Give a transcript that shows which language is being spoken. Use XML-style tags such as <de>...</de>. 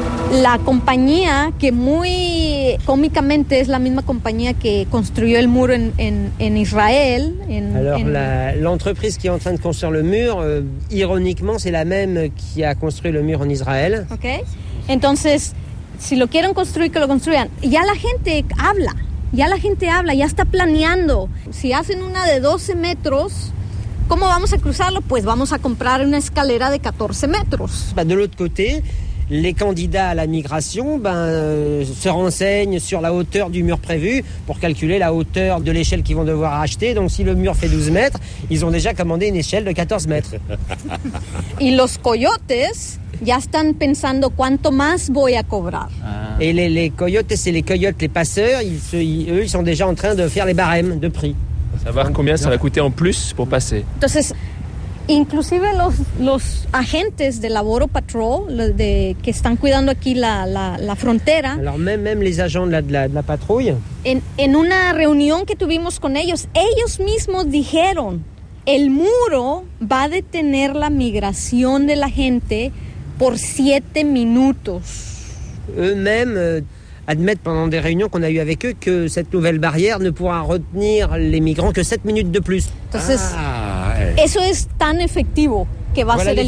<es>La compañía que muy cómicamente es la misma compañía que construyó el muro en Israel.</es> <fr>L'entreprise qui est en train de construire le mur, ironiquement, c'est la même qui a construit le mur en Israël.</fr> <es>Ok. Entonces, si lo quieren construir, que lo construyan. Ya la gente habla, ya la gente habla, ya está planeando. Si hacen una de 12 metros, ¿cómo vamos a cruzarlo? Pues vamos a comprar una escalera de 14 metros.</es> <fr>De l'autre côté, les candidats à la migration se renseignent sur la hauteur du mur prévu pour calculer la hauteur de l'échelle qu'ils vont devoir acheter. Donc si le mur fait 12 mètres, ils ont déjà commandé une échelle de 14 mètres. Et les coyotes</fr> <es>ya están pensando cuánto más voy a cobrar. Ah.</es> <fr>Et les coyotes, c'est les coyotes, les passeurs, ils sont déjà en train de faire les barèmes de prix. Savoir combien ça va coûter en plus pour passer.</fr> <es>Entonces, inclusive los agentes de la Border Patrol que están cuidando aquí la frontera.</es> <fr>Alors même les agents de la patrouille.</fr> <es>En una reunión que tuvimos con ellos mismos dijeron, el muro va a detener la migración de la gente por 7 minutos.</es> <fr>Eux-mêmes admettent pendant des réunions qu'on a eues avec eux que cette nouvelle barrière ne pourra retenir les migrants que 7 minutes de plus.</fr> <es>Entonces, eso es tan efectivo que va a ser el muro.</es>